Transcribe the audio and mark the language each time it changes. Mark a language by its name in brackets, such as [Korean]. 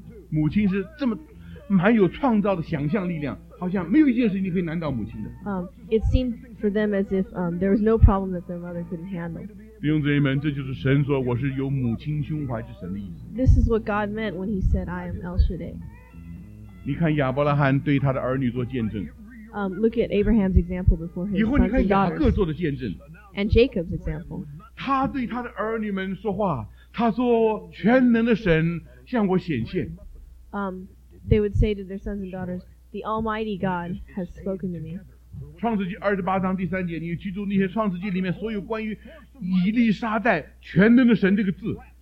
[Chinese] 母亲是这么蛮有创造的想象力量，好像没有一件事情可以难倒母亲的。 [English] It seemed for them as if there was no problem that their mother couldn't handle. [Chinese] 弟兄姊妹们，这就是神说我是有母亲胸怀之神的意思。 [English] This is what God meant when He said, "I am El Shaddai." [Chinese] 你看亚伯拉罕对他的儿女做见证。 [English] Look at Abraham's example before his sons and daughters. [Chinese] 以后你看雅各做的见证。 [English] And Jacob's example. [Chinese] 他对他的儿女们说话，他说：“全能的神向我显现。” [English] They would say to their sons and daughters, "The Almighty God has spoken to me." [Chinese] 创世纪二十八章第三节，你记住那些创世纪里面所有关于。以利沙代全能的神这个字。